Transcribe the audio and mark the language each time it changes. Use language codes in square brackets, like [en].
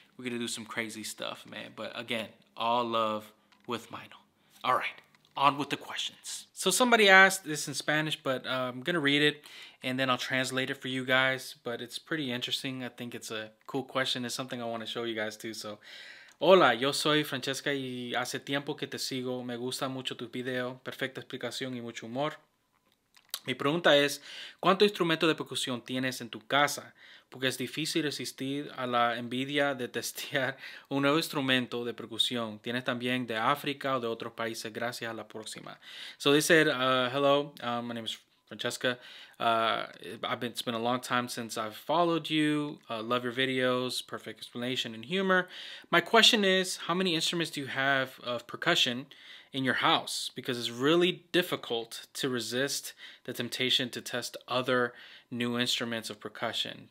[en] We're going to do some crazy stuff, man. But again, all love with Meinl. All right, on with the questions. So somebody asked this in Spanish, but I'm going to read it. And then I'll translate it for you guys, but it's pretty interesting. I think it's a cool question. It's something I want to show you guys too. [es] So, hola, yo soy Francesca y hace tiempo que te sigo. Me gusta mucho tu video, perfecta explicación y mucho humor. Mi pregunta es, ¿cuánto instrumento de percusión tienes en tu casa? Porque es difícil resistir a la envidia de testear un nuevo instrumento de percusión. ¿Tienes también de África o de otros países? Gracias, a la próxima. [en] So they said, hello, my name is Francesca. It's been a long time since I've followed you. Love your videos, perfect explanation and humor. My question is, how many instruments do you have of percussion in your house? Because it's really difficult to resist the temptation to test other new instruments of percussion.